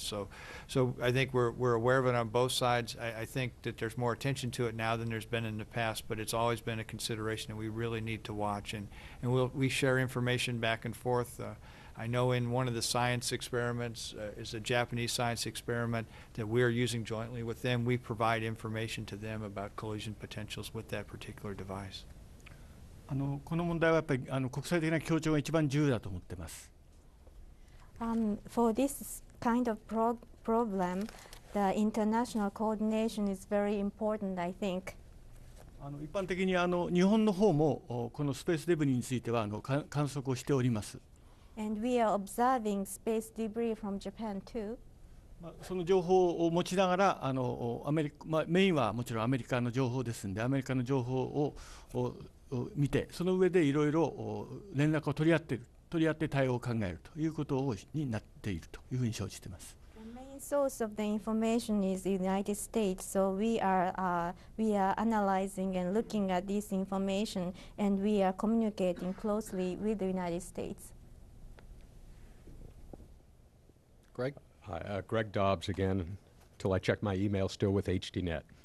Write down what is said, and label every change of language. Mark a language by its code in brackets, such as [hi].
[en] So I think we're aware of it on both sides. I think that there's more attention to it now than there's been in the past, but it's always been a consideration that we really need to watch, and we share information back and forth. I know in one of the science experiments, is a Japanese science experiment that we are using jointly with them, we provide information to them about collision potentials with that particular device. [ja] この問題はやっぱり国際的な協調が一番重要だと思ってます。 [en] For this kind of problem, the international coordination is very important, I think. [ja] 一般的に日本の方もこのスペースデブリについては観測をしております。 [en] And we are observing space debris from Japan too. [ja] その情報を持ちながら、アメリカ、メインはもちろんアメリカの情報ですんで、アメリカの情報を見て、その上でいろいろ連絡を取り合って対応を考えるということになっているというふうに承知しています。 [en] The main source of the information is the United States, so we are analyzing and looking at this information, and we are communicating closely with the United States. Greg? Hi, Greg Dobbs again, until I check my email, still with HDNet.